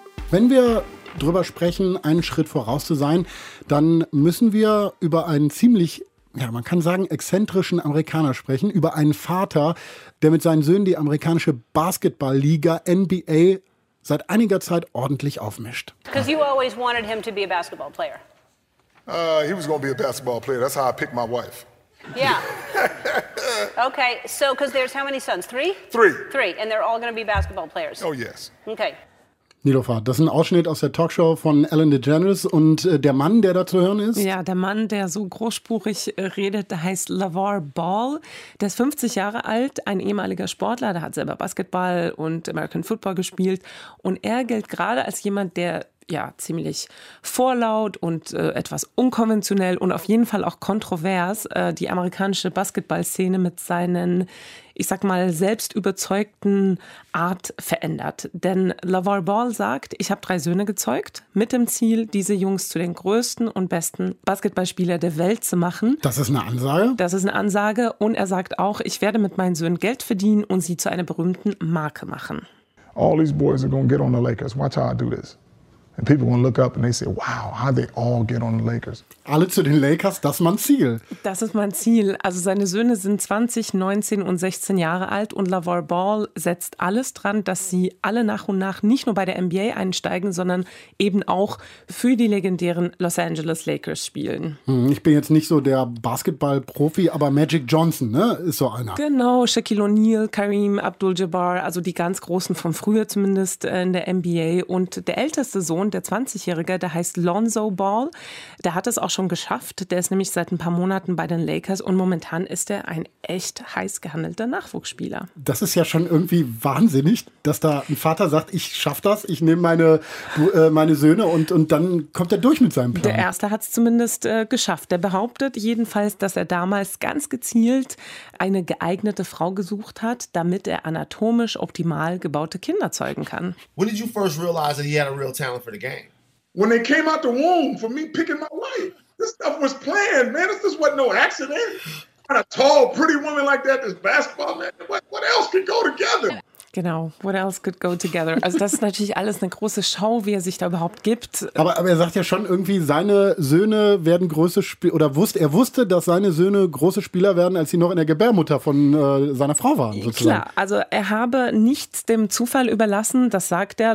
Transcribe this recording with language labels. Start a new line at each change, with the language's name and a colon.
German: Wenn wir drüber sprechen, einen Schritt voraus zu sein, dann müssen wir über einen ziemlich, ja, man kann sagen, exzentrischen Amerikaner sprechen, über einen Vater, der mit seinen Söhnen die amerikanische Basketballliga NBA seit einiger Zeit ordentlich aufmischt.
English: Because you always wanted him to be a basketball player. He was going to be a basketball player. That's how I picked my wife. Yeah. Okay, so because there's how many sons? Three? Three. Three, and they're all going to be basketball players. Oh yes. Okay.
German: Niloufar, das ist ein Ausschnitt aus der Talkshow von Ellen DeGeneres und der Mann, der da zu hören ist. Ja, der Mann, der so großspurig redet, der heißt LaVar Ball. Der ist 50 Jahre alt, ein ehemaliger Sportler, der hat selber Basketball und American Football gespielt. Und er gilt gerade als jemand, der ja ziemlich vorlaut und etwas unkonventionell und auf jeden Fall auch kontrovers die amerikanische Basketballszene mit seinen, ich sag mal, selbstüberzeugten Art verändert. Denn LaVar Ball sagt, ich habe 3 Söhne gezeugt mit dem Ziel, diese Jungs zu den größten und besten Basketballspielern der Welt zu machen. Das ist eine Ansage. Das ist eine Ansage. Und er sagt auch, ich werde mit meinen Söhnen Geld verdienen und sie zu einer berühmten Marke machen.
English: All these boys are gonna get on the Lakers. Watch how I do this. And people will look up and they say, wow, how they all get on the Lakers.
German: Alle zu den Lakers, das ist mein Ziel. Das ist mein Ziel. Also seine Söhne sind 20, 19 und 16 Jahre alt und LaVar Ball setzt alles dran, dass sie alle nach und nach nicht nur bei der NBA einsteigen, sondern eben auch für die legendären Los Angeles Lakers spielen. Ich bin jetzt nicht so der Basketball-Profi, aber Magic Johnson, ne, ist so einer. Genau, Shaquille O'Neal, Kareem Abdul-Jabbar, also die ganz Großen von früher zumindest in der NBA. Und der älteste Sohn, der 20-Jährige, der heißt Lonzo Ball, der hat es auch schon geschafft. Der ist nämlich seit ein paar Monaten bei den Lakers und momentan ist er ein echt heiß gehandelter Nachwuchsspieler. Das ist ja schon irgendwie wahnsinnig, dass da ein Vater sagt, ich schaff das, ich nehme meine Söhne und dann kommt er durch mit seinem Plan. Der Erste hat es zumindest geschafft. Der behauptet jedenfalls, dass er damals ganz gezielt eine geeignete Frau gesucht hat, damit er anatomisch optimal gebaute Kinder zeugen kann.
English: When did you first realize that he had a real talent for the game? When they came out the womb for me picking my wife. This stuff was planned, man. This wasn't no accident. Got a tall, pretty woman like that, this basketball man. What else could go together?
German: Genau,
English: what else could go together?
German: Also das ist natürlich alles eine große Show, wie er sich da überhaupt gibt. Aber er sagt ja schon irgendwie, seine Söhne werden große Spieler, oder er wusste, dass seine Söhne große Spieler werden, als sie noch in der Gebärmutter von seiner Frau waren, sozusagen. Klar, also er habe nichts dem Zufall überlassen, das sagt er.